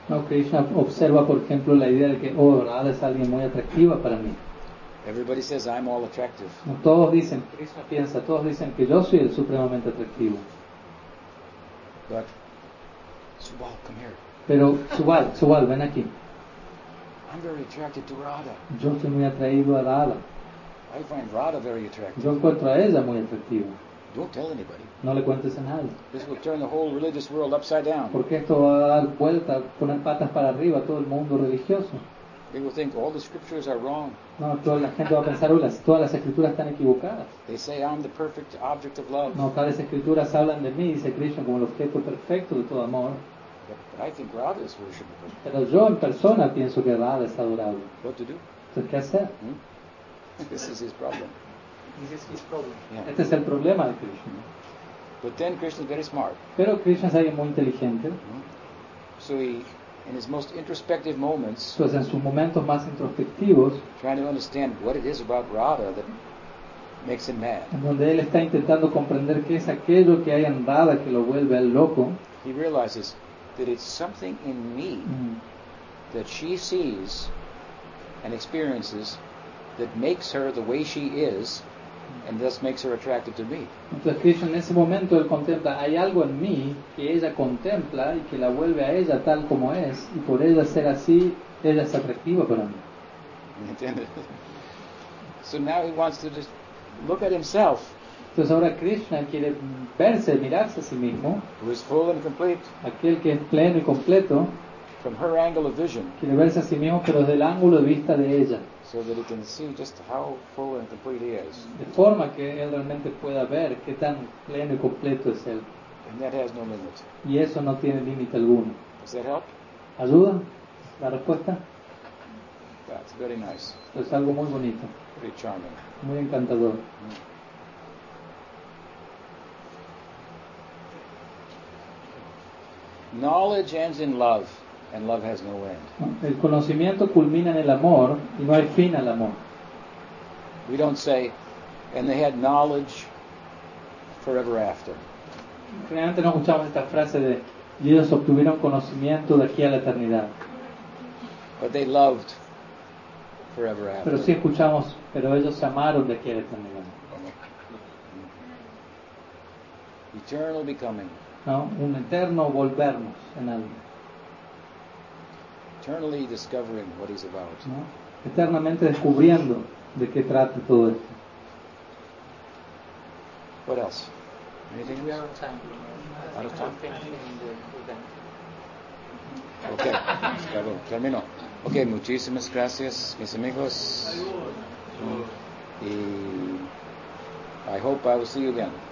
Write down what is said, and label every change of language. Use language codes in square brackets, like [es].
[es] No, Krishna observa, por ejemplo, la idea de que oh, Radha es alguien muy atractiva para mí. [en] Everybody says I'm all attractive. [es] No, todos dicen, Krishna piensa, todos dicen que yo soy el supremamente atractivo. [en] But Subal, come here. [es] Pero Subal, ven aquí. [en] I'm very attracted to Radha. [es] Yo estoy muy atraído a Radha. [en] I find Radha very attractive. [es] Yo encuentro a ella muy atractiva. [en] Don't tell anybody. [es] No le cuentes a nadie. [en] This will turn the whole religious world upside down. [es] Porque esto va a dar vuelta, poner patas para arriba a todo el mundo religioso. [en] They will think all the scriptures are wrong. [es] No, toda la gente va a pensar, todas las escrituras están equivocadas. [en] They say I'm the perfect object of love. [es] No, todas las escrituras hablan de mí, dice Krishna, como el objeto perfecto de todo amor. [en] But I think Radha is worshipable. [es] Pero yo en persona pienso que Radha es adorable. [en] What to do? [es] Entonces, ¿qué hacer? [en] Hmm? This is his problem. This is his problem. Yeah. [es] Este es el problema de Krishna. [en] But then Krishna is very smart. [es] Pero Krishna es alguien muy inteligente. Hmm? [en] So he, in his most introspective moments, [es] pues en sus momentos más introspectivos, [en] trying to understand what it is about Radha that makes him mad. [es] En donde él está intentando comprender qué es aquello que hay en Radha que lo vuelve al loco. [en] He realizes that it's something in me that she sees and experiences that makes her the way she is, and thus makes her attracted to me. [es] Entonces Krishna en ese momento él contempla, hay algo en mí que ella contempla y que la vuelve a ella tal como es, y por ella ser así, ella es atractiva para mí. ¿Entiendes? [en] So now he wants to just look at himself. [es] Entonces ahora Krishna quiere verse, mirarse a sí mismo. [en] Who is full and complete. [es] Aquel que es pleno y completo. [en] From her angle of vision. [es] Quiere verse a sí mismo, pero desde el ángulo de vista de ella. [en] So that he can see just how full and complete he is. [es] De forma que él realmente pueda ver qué tan pleno y completo es él. [en] And that has no limit. [es] Y eso no tiene límite alguno. [en] Does that help? [es] ¿Ayuda? ¿La respuesta? [en] That's very nice. [es] Es algo muy bonito. [en] Very charming. [es] Muy encantador. [en] Knowledge ends in love. And love has no end. [es] El conocimiento culmina en el amor y no hay fin al amor. [en] We don't say, and they had knowledge forever after. [es] Realmente no escuchamos esta frase de, y ellos obtuvieron conocimiento de aquí a la eternidad. [en] But they loved forever after. [es] Pero sí escuchamos, pero ellos se amaron de aquí a la eternidad. [en] Eternal becoming. [es] No, un eterno volvernos en algo. [en] Eternally discovering what he's about. [es] ¿No? Eternamente descubriendo de qué trata todo esto. [en] What else? Anything? We are on time. Out of time? Okay. [es] Acabo. Termino. Okay. Muchísimas gracias, mis amigos. [en] Y I hope I will see you again.